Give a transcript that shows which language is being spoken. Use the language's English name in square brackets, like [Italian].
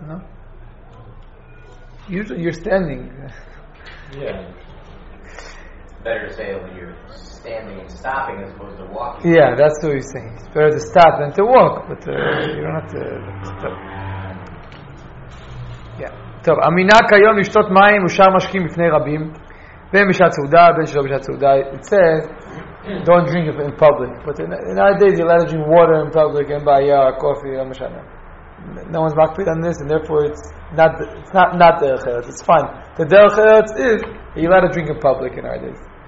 [English] No. Usually you're standing. Yeah. Better to say when you're standing and stopping as opposed to walking. Yeah, that's what he's saying. It's better to stop than to walk, but you don't have to stop. Yeah. [Hebrew] טוב, אמינא כיום לשתות מים ושאר משקים בפני רבים. בין בשעת סעודה, בין שלא בשעת סעודה, [English] it says, don't drink it in public. But in our days, you're allowed to drink water in public, and by coffee, no one's makpid on this, and therefore it's not derech eretz, it's fine. The derech eretz is, you're allowed to drink in public in our days.